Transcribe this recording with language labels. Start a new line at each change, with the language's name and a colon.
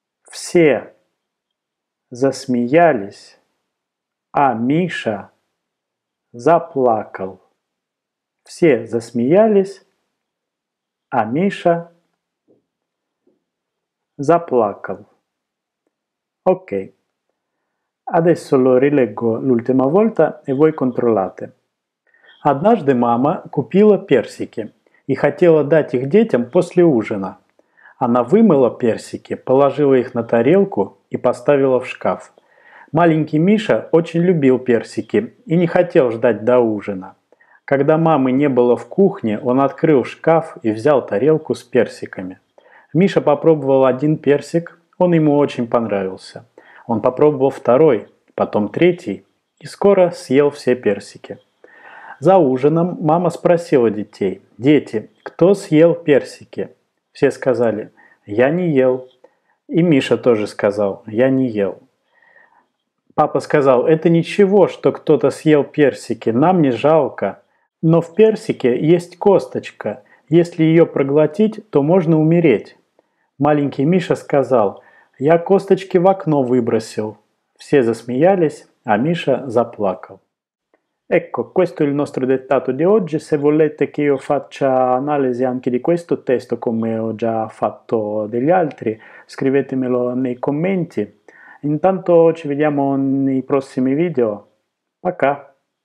Russian: Все засмеялись, а Миша заплакал. Все засмеялись, а Миша заплакал.
Italian: Ok, adesso lo rileggo l'ultima volta e voi controllate.
Russian: Однажды мама купила персики и хотела дать их детям после ужина. Она вымыла персики, положила их на тарелку и поставила в шкаф. Маленький Миша очень любил персики и не хотел ждать до ужина. Когда мамы не было в кухне, он открыл шкаф и взял тарелку с персиками. Миша попробовал один персик, он ему очень понравился. Он попробовал второй, потом третий и скоро съел все персики. За ужином мама спросила детей: «Дети, кто съел персики?» Все сказали: «Я не ел». И Миша тоже сказал: «Я не ел». Папа сказал: «Это ничего, что кто-то съел персики, нам не жалко. Но в персике есть косточка. Если ее проглотить, то можно умереть». Маленький Миша сказал: «Я косточки в окно выбросил». Все засмеялись, а Миша заплакал.
Italian: Ecco, questo è il nostro dettato di oggi. Se volete che io faccia analisi anche di questo testo, come ho già fatto degli altri, scrivetemelo nei commenti. Intanto ci vediamo nei prossimi video.
Russian: Paca!